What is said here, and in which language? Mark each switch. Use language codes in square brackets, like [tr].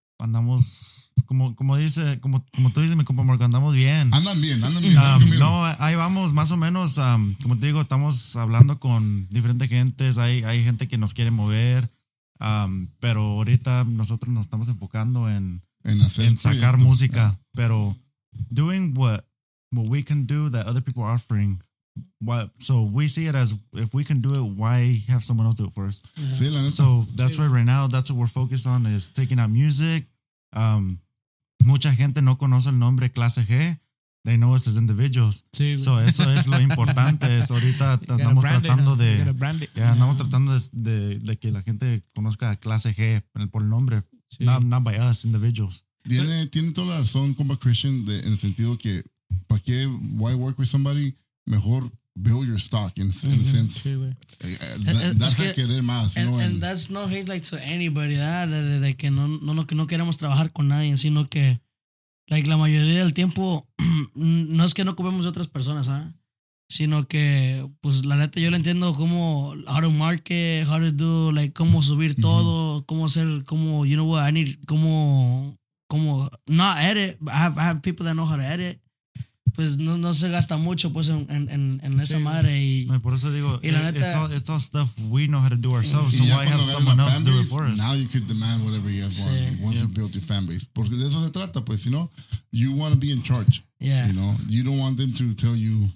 [es] andamos, como tú dices, mi compa Marco, andamos bien. Andan bien. Ahí vamos, más o menos, como te digo, estamos hablando con diferentes gentes, hay gente que nos quiere mover, pero ahorita nosotros nos estamos enfocando en sacar proyecto, música, yeah. [en] Pero doing what we can do that other people are offering. So we see it as, if we can do it, why have someone else do it for us? Yeah. So that's where right now, that's what we're focused on, is taking out music. [es] Mucha gente no conoce el nombre Klase G. [en] They know us as individuals. [es] Sí. So eso es lo importante. Es ahorita estamos tratando de... Estamos tratando de que la gente conozca Klase G por el nombre. [en] Sí. Not by us, individuals. [es] Tiene toda la razón, compa Christian, en el sentido que, ¿para qué? [en] Why work with somebody? Mejor build your stock in a sense. [es] Sí, that's que, a querer más. [en] And that's no hate like to anybody, [es] de que no queremos trabajar con nadie, sino que like la mayoría del tiempo no es que no ocupemos de otras personas, ¿eh? Sino que pues la neta yo lo entiendo como [en] how to market, how to do, [es] like cómo subir todo, cómo hacer, como [en] you know what I need, [es] como not edit. [en] I have people that know how to edit. [es] Pues no se gasta mucho pues en esa sí, madre y no, por eso digo, y la neta, [en] it's all stuff we know how to do ourselves, so why have someone else do it for us? Now you could demand whatever you guys want once you build your fan base, [es] porque de eso se trata, pues, [en] you know, you want to be in charge. Yeah. You know, you don't want them to tell you